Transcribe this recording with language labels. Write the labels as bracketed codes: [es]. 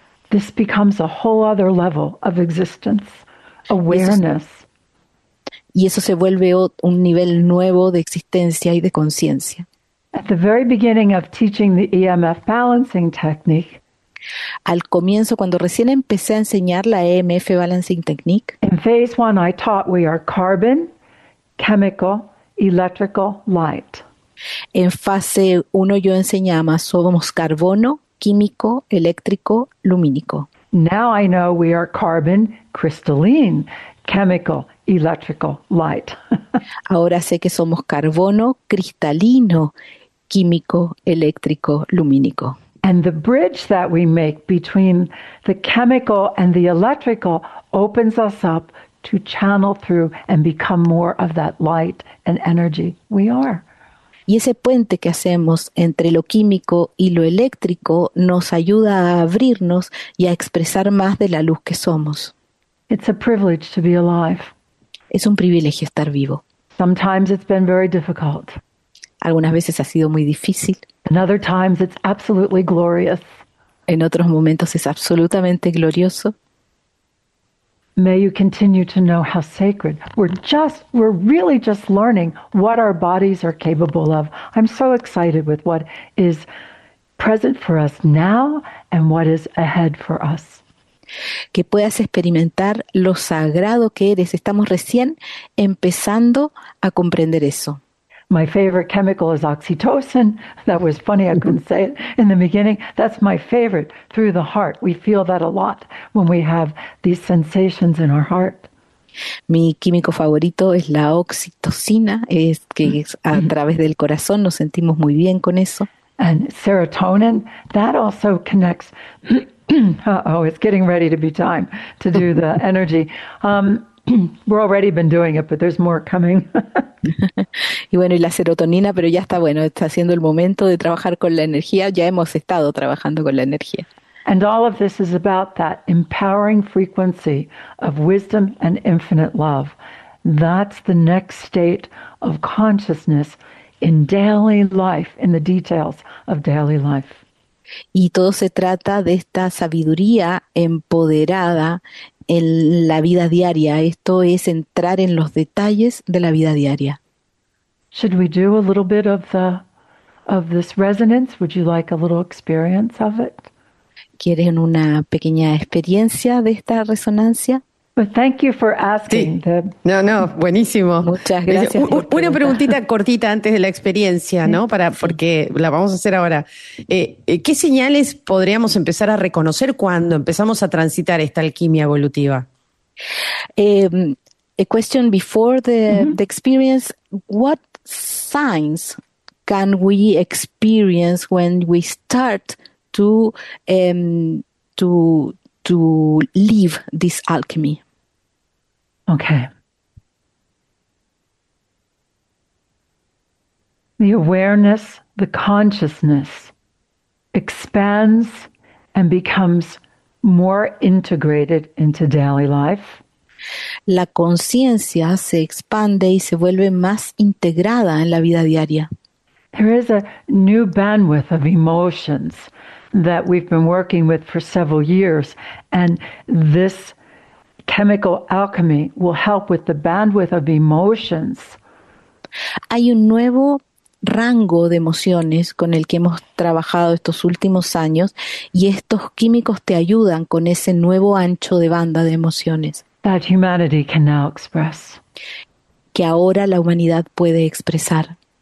[en] This becomes a whole other level of existence, awareness. [es] Y eso se vuelve un nivel nuevo de existencia y de conciencia. [en] At the very beginning of teaching the EMF balancing technique, [es] al comienzo, cuando recién empecé a enseñar la EMF Balancing Technique, [en] in phase one I taught we are carbon, chemical, electrical, light. [es] En fase 1 yo enseñaba, somos carbono, químico, eléctrico, lumínico. [en] Now I know we are carbon, crystalline, chemical, electrical, light. [es] Ahora sé que somos carbono, cristalino, químico, eléctrico, lumínico. [en] And the bridge that we make between the chemical and the electrical opens us up to channel through and become more of that light and energy we are. [es] Y ese puente que hacemos entre lo químico y lo eléctrico nos ayuda a abrirnos y a expresar más de la luz que somos. [en] It's a privilege to be alive. [es] Es un privilegio estar vivo. [en] Sometimes it's been very difficult. [es] Algunas veces ha sido muy difícil. [en] In other times it's absolutely glorious. [es] En otros momentos es absolutamente glorioso. [en] May you continue to know how sacred. We're really just learning what our bodies are capable of. I'm so excited with what is present for us now and what is ahead for us. [es] Que puedas experimentar lo sagrado que eres. Estamos recién empezando a comprender eso. [en] My favorite chemical is oxytocin. That was funny, I couldn't say it in the beginning. That's my favorite, through the heart. We feel that a lot when we have these sensations in our heart. [es] Mi químico favorito es la oxitocina, es que es a través del corazón, nos sentimos muy bien con eso. [en] And serotonin, that also connects. it's getting ready to be time to do the energy. We've already been doing it, but there's more coming. [es] Y bueno, y la serotonina, pero ya está bueno, está siendo el momento de trabajar con la energía, ya hemos estado trabajando con la energía. [en] And all of this is about that empowering frequency of wisdom and infinite love. That's the next state of consciousness in daily life, in the details of daily life. [es] Y todo se trata de esta sabiduría empoderada en la vida diaria. Esto es entrar en los detalles de la vida diaria. [en] Should we do a little bit of this resonance? Would you like a little experience of it? [es] ¿Quieren una pequeña experiencia de esta resonancia? [en] But thank you for asking. [es] Sí. No, buenísimo. Muchas gracias. Una preguntita cortita antes de la experiencia, ¿no? Porque la vamos a hacer ahora. ¿Qué señales podríamos empezar a reconocer cuando empezamos a transitar esta alquimia evolutiva? [en] A question before the experience. What signs can we experience when we start to live this alchemy? Okay. The awareness, the consciousness expands and becomes more integrated into daily life. [es] La conciencia se expande y se vuelve más integrada en la vida diaria. [en] There is a new bandwidth of emotions that we've been working with for several years, and this chemical alchemy will help with the bandwidth of emotions. [es] Hay un nuevo rango de emociones con el que hemos trabajado estos últimos años, y estos químicos te ayudan con ese nuevo ancho de banda de emociones. [en] That humanity can now express. [es] Que ahora la humanidad puede expresar.